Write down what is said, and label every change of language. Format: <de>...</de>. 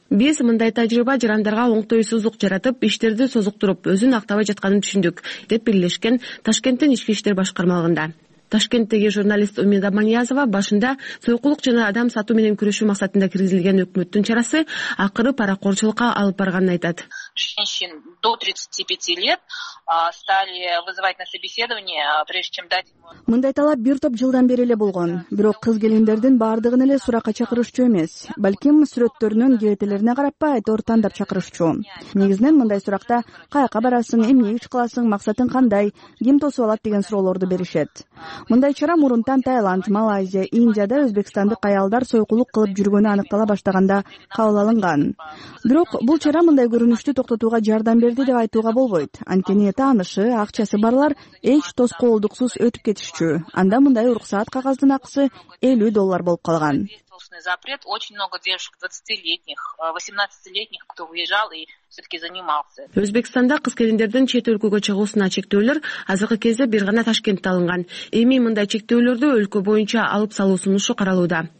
<ky>Биз мындай тажрыйба жарандарга оңтойсуздук жаратып, иштерди созуктуруп, өзүн актабай жатканын түшүндүк, деп бирлешкен Ташкенттин ички иштер башкармалыгында. Ташкенттеги журналист Умида Маниязова башында суюкулук жана адам сатуу менен күрөшүү максатында киргизилген өкмөттүн чарасы акыры паракорчулукка алып барганын айтат.</ky> <ru>Женщин до 35 лет стали вызывать на собеседование, прежде чем дать ему...</ru> <ky>Мындай талап бир топ жылдан бери эле болгон. Бирок кыз келиндердин баардыгын эле суракка чакырышчу эмес. Балким сүрөттөрүнүн кирителерине карап айтор тандап чакырышчу. Негизинен мындай суракта каяка барасың, эмне иш кыласың, максатың кандай, ким тосуп алат деген суроолорду беришет. Мындай чара мурунтан Таиланд, Малайзия, Индияда өзбекстандык аялдар сойкулук кылып жүргөнү аныктала баштаганда кабыл алынган. Бирок бул чара мындай көрүнүштү токтотууга жардам берди деп айтууга болбойт. Анткени таанышы, акчасы барлар эч тоскоолдуксуз өтүп кетишчү. Анда мындай уруксаат кагаздын акысы $50 болуп калган.</ky> <ru>Запрет. Очень много девушек 20-летних, 18-летних, кто уезжал и все-таки занимался.</ru> <ky>Өзбекстанда кыз келиндердин чет өлкөгө чыгуусуна чектөөлөр азыркы кезде бир гана Ташкентте алынган. Эми мындай чектөөлөрдү өлкө боюнча алып салуу сунушу каралууда.</ky>